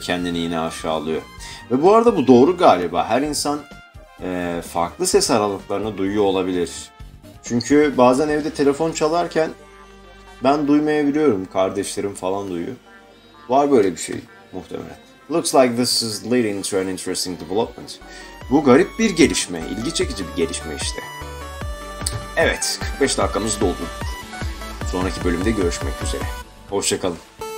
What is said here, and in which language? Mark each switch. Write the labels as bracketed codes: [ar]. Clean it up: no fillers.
[tr] Kendini yine aşağılıyor. Ve bu arada bu doğru galiba. Her insan farklı ses aralıklarını duyuyor olabilir. Çünkü bazen evde telefon çalarken ben duymayabiliyorum. Kardeşlerim falan duyuyor. Var böyle bir şey muhtemelen. [en] Looks like this is leading to an interesting development. [tr] Bu garip bir gelişme. İlgi çekici bir gelişme işte. Evet, 45 dakikamız doldu. Sonraki bölümde görüşmek üzere. Hoşça kalın.